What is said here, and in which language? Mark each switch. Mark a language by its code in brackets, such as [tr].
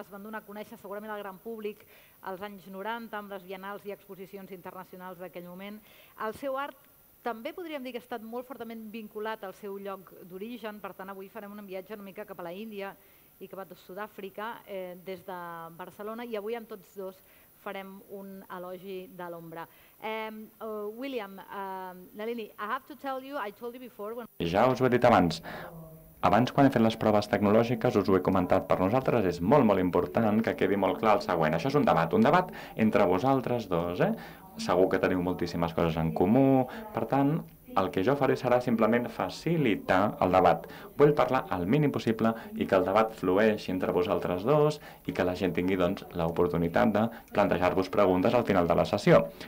[ca] Es van donar a conèixer segurament al gran públic als anys 90 amb les biennals i exposicions internacionals d'aquell moment. El seu art també podríem dir que ha estat molt fortament vinculat al seu lloc d'origen, per tant avui farem un viatge una mica cap a la Índia i cap a Sud-àfrica des de Barcelona i avui amb tots dos farem un elogi de l'ombra. [en] William, Nalini, I have to tell you, I told you before... When... [ca] Ja us ho he dit abans. Abans, quan he fet les proves tecnològiques, us ho he comentat per nosaltres, és molt, molt important que quedi molt clar el següent. Això és un debat entre vosaltres dos, eh? Segur que teniu moltíssimes coses en comú, per tant, El que jo faré serà simplement facilitar el debat. Vull parlar el mínim possible i que el debat flueixi entre vosaltres dos i que la gent tingui doncs, l'oportunitat de plantejar-vos preguntes al final de la sessió.